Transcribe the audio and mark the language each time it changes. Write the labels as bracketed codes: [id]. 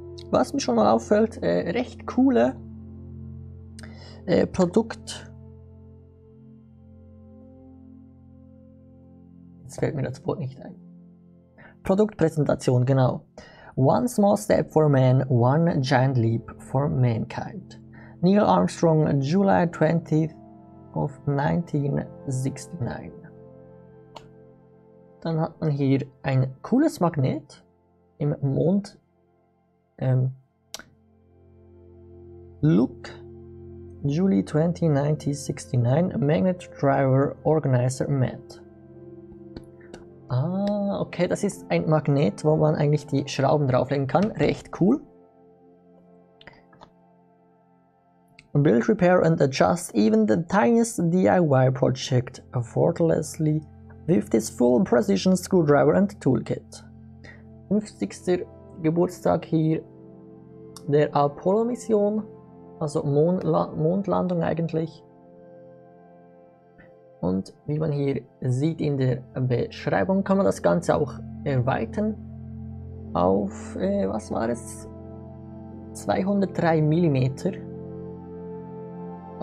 [de] Was mir schon mal auffällt, recht coole Produkt. Jetzt fällt mir das Wort nicht ein. Produktpräsentation, genau. [en] One small step for man, one giant leap for mankind. Neil Armstrong, July 20th of 1969. [de] Dann hat man hier ein cooles Magnet im Mond Look, July 20, 1969, Magnet Driver Organizer Mat. Ah, okay, das ist ein Magnet, wo man eigentlich die Schrauben drauflegen kann. Recht cool. [en] Build, repair and adjust even the tiniest DIY project effortlessly with this full precision screwdriver and toolkit. [de] 50. Geburtstag hier der Apollo-Mission, also Mondlandung eigentlich. Und wie man hier sieht in der Beschreibung, kann man das Ganze auch erweitern auf, was war es, 203 mm.